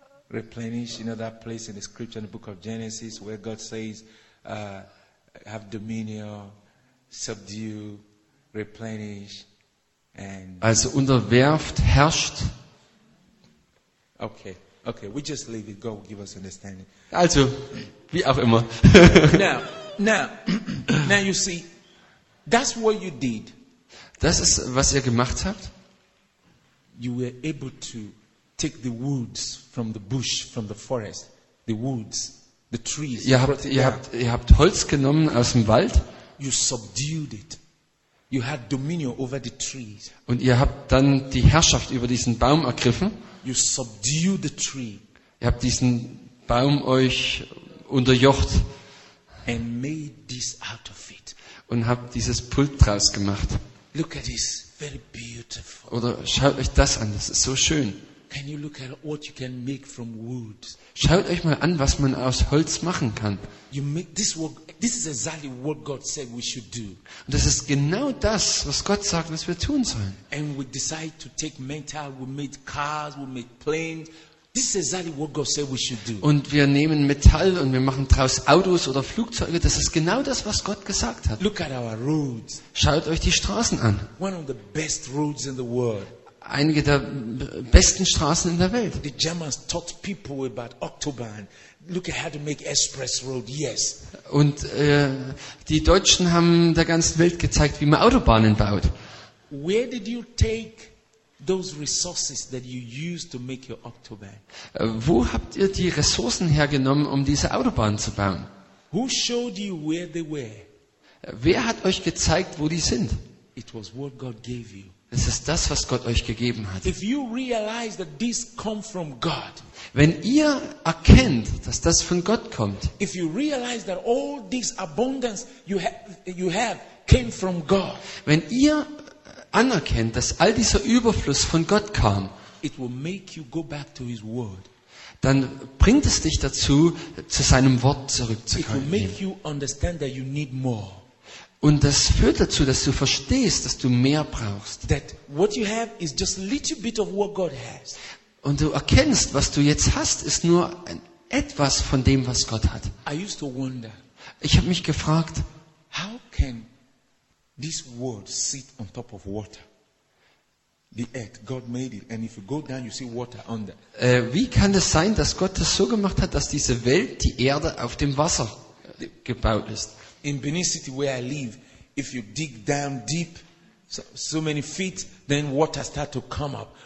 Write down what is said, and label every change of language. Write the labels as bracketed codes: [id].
[en] Replenish, you know that place in the scripture, in the book of Genesis, where God says, have dominion. Subdue, replenish, and [de] also unterwerft, herrscht. [en] Okay, we just leave it. God will give us understanding. [de] Also, wie auch immer. [en] Now you see, that's what you did. [de] Das ist, was ihr gemacht habt. [en] You were able to take the woods from the bush, from the forest, the woods, the trees. [de] Ihr habt Holz genommen aus dem Wald. [en] You subdued it. You had dominion over the trees. [de] Und ihr habt dann die Herrschaft über diesen Baum ergriffen. [en] You subdued the tree. [de] Ihr habt diesen Baum euch unterjocht. [en] And made this out of it. [de] Und habt dieses Pult draus gemacht. [en] Look at this, very beautiful. [de] Oder schaut euch das an, das ist so schön. [en] Can you look at what you can make from wood? [de] Schaut euch mal an, was man aus Holz machen kann. [en] You make this work. This is exactly what God said we should do. [de] Und das ist genau das, was Gott sagt, was wir tun sollen. [en] And we decide to take metal. We made cars. We made planes. This is exactly what God said we should do. [de] Und wir nehmen Metall und wir machen daraus Autos oder Flugzeuge. Das ist genau das, was Gott gesagt hat. [en] Look at our roads. [de] Schaut euch die Straßen an. [en] One of the best roads in the world. [de] Einige der besten Straßen in der Welt. [en] The Germans taught people about Autobahn. Look at how to make express road. Yes. [de] Und die Deutschen haben der ganzen Welt gezeigt, wie man Autobahnen baut. [en] Where did you take those resources that you used to make your Autobahn? [de] Wo habt ihr die Ressourcen hergenommen, um diese Autobahn zu bauen? [en] Who showed you where they were? [de] Wer hat euch gezeigt, wo die sind? [en] It was what God gave you. [de] Es ist das, was Gott euch gegeben hat. [en] If you realize that this come from God, [de] wenn ihr erkennt, dass das von Gott kommt, [en] if you realize that all this abundance you have came from God, [de] wenn ihr anerkennt, dass all dieser Überfluss von Gott kam, [en] it will make you go back to his word. [de] Dann bringt es dich dazu, zu seinem Wort zurückzukommen. [en] It will make you understand that you need more. [de] Und das führt dazu, dass du verstehst, dass du mehr brauchst. [en] That what you have is just a little bit of what God has. [de] Und du erkennst, was du jetzt hast, ist nur etwas von dem, was Gott hat. [en] I used to wonder, [de] ich habe mich gefragt, [en] how can this world sit on top of water? The earth, God made it, and if you go down, you see water under. [de] Wie kann es sein, dass Gott das so gemacht hat, dass diese Welt, die Erde, auf dem Wasser gebaut ist? [en] In Benin City, where I live, if you dig down deep, so many feet, then water start to come up.